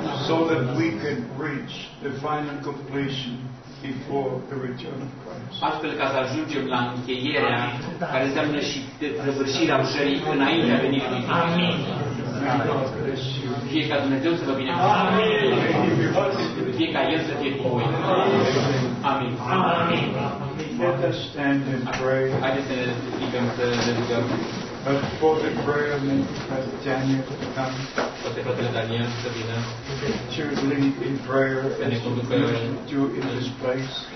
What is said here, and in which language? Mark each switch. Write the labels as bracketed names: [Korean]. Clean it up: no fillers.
[English] So that we can reach the final completion. Before the return of Christ. [Romanian] Astfel ca să ajungem la încheierea care înseamnă și răvârșirea lucrării înaintea venirii lui Hristos. Amin. Fie ca Dumnezeu să vă binecuvânteze. Amin. Fie ca El să fie cu voi. Amin. Amin. Amin. [English] Let us stand and pray. But for the prayer that Daniel could come. To lead in prayer in this place.